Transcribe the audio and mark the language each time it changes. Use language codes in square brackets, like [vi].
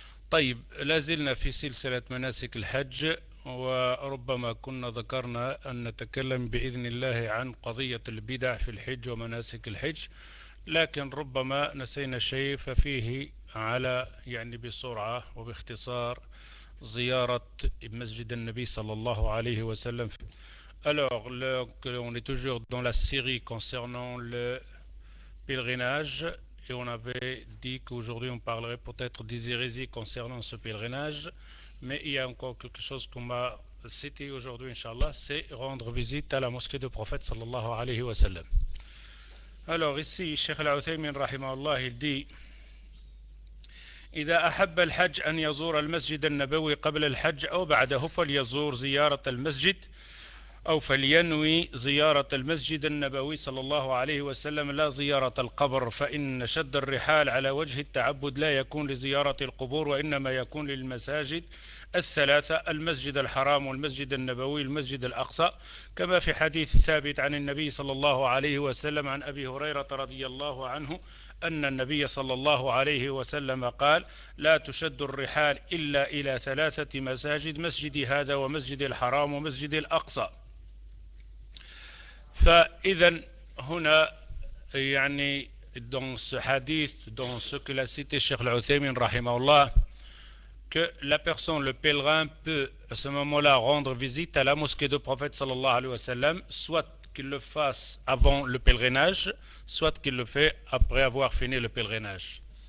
[ar] طيب، لازلنا في سلسلة مناسك الحج، وربما كنا ذكرنا أن نتكلم بإذن الله عن قضية البدع في الحج ومناسك الحج، لكن ربما نسينا شيء، ففيه على يعني بسرعة وباختصار زيارة مسجد النبي صلى الله عليه وسلم. [fr] Alors, on est toujours dans la série concernant le pèlerinage, et on avait dit qu'aujourd'hui on parlerait peut-être des hérésies concernant ce pèlerinage. Mais il y a encore quelque chose qu'on m'a cité aujourd'hui, Inch'Allah, c'est rendre visite à la mosquée du prophète, sallallahu alayhi wa sallam. Alors ici, Cheikh Al-Uthaymin, rahimahullah, il dit [ar] « إذا أحب الحج أن يزور المسجد النبوي قبل الحج أو بعده فليزور زيارة المسجد أو فلينوي زيارة المسجد النبوي صلى الله عليه وسلم لا زيارة القبر، فإن شد الرحال على وجه التعبد لا يكون لزيارة القبور، وإنما يكون للمساجد الثلاثة: المسجد الحرام والمسجد النبوي والمسجد الأقصى، كما في حديث ثابت عن النبي صلى الله عليه وسلم عن أبي هريرة رضي الله عنه أن النبي صلى الله عليه وسلم قال: لا تشد الرحال إلا إلى ثلاثة مساجد: مسجد هذا ومسجد الحرام ومسجد الأقصى. فإذا هنا يعني [fr] dans ce hadith, dans ce que l'a cité Cheikh Al-Uthaymin رحمه الله, que la personne, le pèlerin, peut à ce moment-là rendre visite à la mosquée du prophète sallallahu alayhi wa sallam, soit qu'il le fasse avant le pèlerinage, soit qu'il le fait après avoir fini le pèlerinage.